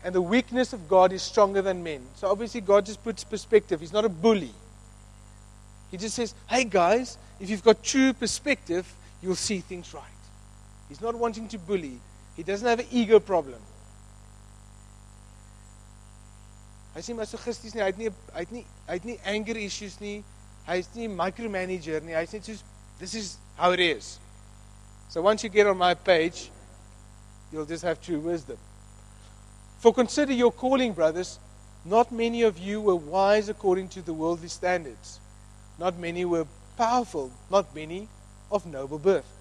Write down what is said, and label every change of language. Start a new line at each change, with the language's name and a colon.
English: And the weakness of God is stronger than men. So obviously God just puts perspective. He's not a bully. He just says, hey guys, if you've got true perspective, you'll see things right. He's not wanting to bully. He doesn't have an ego problem.
Afrikaans: Hy's nie masochisties nie. Hy het nie
English: anger issues
Afrikaans: nie. Hy's nie micromanager nie. Hy's net soos
English: this is how it is. So once you get on my page, you'll just have true wisdom. For consider your calling, brothers. Not many of you were wise according to the worldly standards. Not many were powerful. Not many of noble birth.